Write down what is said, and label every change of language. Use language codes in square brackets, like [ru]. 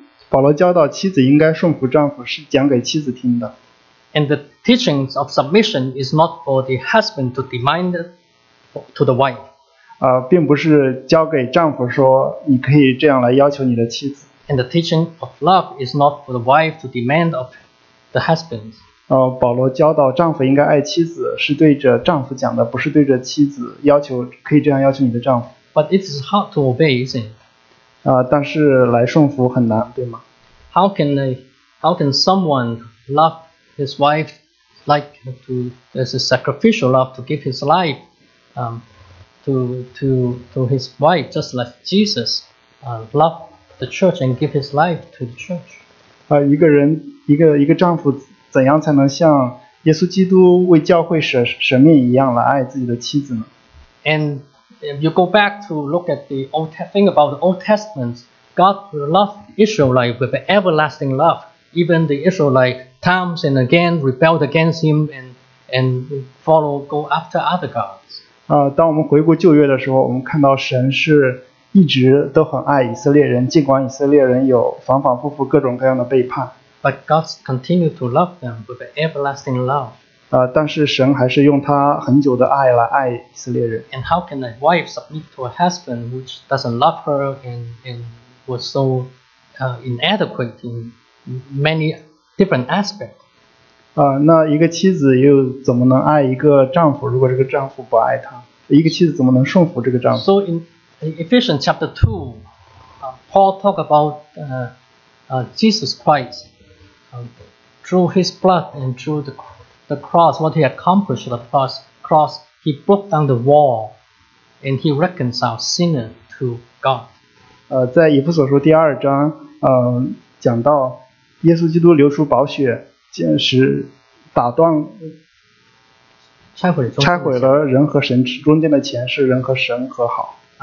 [zh] 保罗教导妻子应该顺服丈夫是讲给妻子听的。 [en] And the teachings of submission is not for the husband to demand to the wife. [zh] 并不是教给丈夫说你可以这样来要求你的妻子。 [en] And the teaching of love is not for the wife to demand of the husband. [zh] 保罗教导丈夫应该爱妻子是对着丈夫讲的不是对着妻子要求可以这样要求你的丈夫。 [en] But it is hard to obey, isn't it? [zh] 但是来顺服很难对吗 [en] How can someone love his wife like to as a sacrificial love to give his life to his wife just like Jesus loved the church and give his life to the church [zh] 一个丈夫怎样才能像耶稣基督为教会舍命一样来爱自己的妻子呢 [en] andIf you go back to look at the old thing about the Old Testament, God loved Israelite with an everlasting love. Even the Israelite times and again rebelled against him and go after other gods. [zh] 当我们回顾旧约的时候，我们看到神是一直都很爱以色列人，尽管以色列人有反反复复各种各样的背叛。 [en] But God continued to love them with an everlasting love. [zh] 但是神还是用他很久的爱来爱以色列人。 [en] And how can a wife submit to a husband which doesn't love her and was so inadequate in many different aspects? [zh] 那一个妻子又怎么能爱一个丈夫？如果这个丈夫不爱她，一个妻子怎么能顺服这个丈夫 [en] ？So in Ephesians chapter 2, Paul talk about Jesus Christ through his blood and through the cross, what he accomplished the cross, he broke down the wall and he reconciled sinner to God. [zh] 在以弗所书第二章讲到耶稣基督流出宝血见识打断拆毁了人和神中间的前世人和神和好。